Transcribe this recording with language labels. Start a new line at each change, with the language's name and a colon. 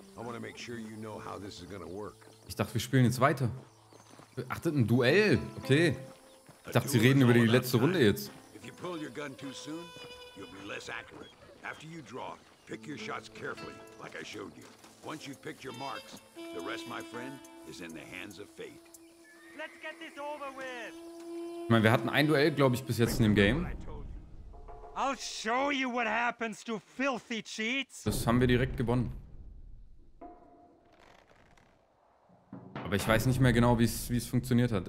English: I want to make sure you know how this is going to work.
German: Ich dachte, wir spielen jetzt weiter. Ach, ein Duell. Okay. Ich dachte, sie reden über die letzte Runde jetzt.
English: If you pull your gun too soon, you'll be less accurate. After you draw, pick your shots carefully, like I showed you. Once you've picked your marks, the rest, my friend, is in the hands of fate. Let's get this over with.
German: Ich meine, wir hatten ein Duell, glaube ich, bis jetzt in dem Game.
English: I'll show you what happens to filthy cheats.
German: Das haben wir direkt gewonnen. Aber ich weiß nicht mehr genau, wie es funktioniert hat.